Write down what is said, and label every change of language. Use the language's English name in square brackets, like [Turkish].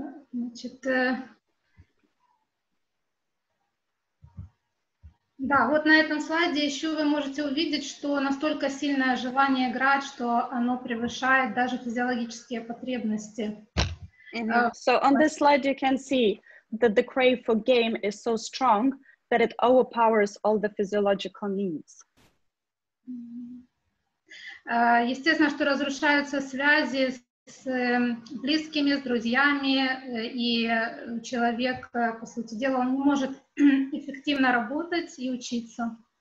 [Russian] Значит, да, вот на этом слайде еще вы можете увидеть, что настолько сильное желание играть, что оно превышает даже физиологические потребности. [English] So on this slide you can see that the crave for game is so strong that it overpowers all the physiological needs. [Russian] Естественно, что разрушаются связи с близкими, с друзьями, и человек, по сути дела, он не может эффективно работать и учиться.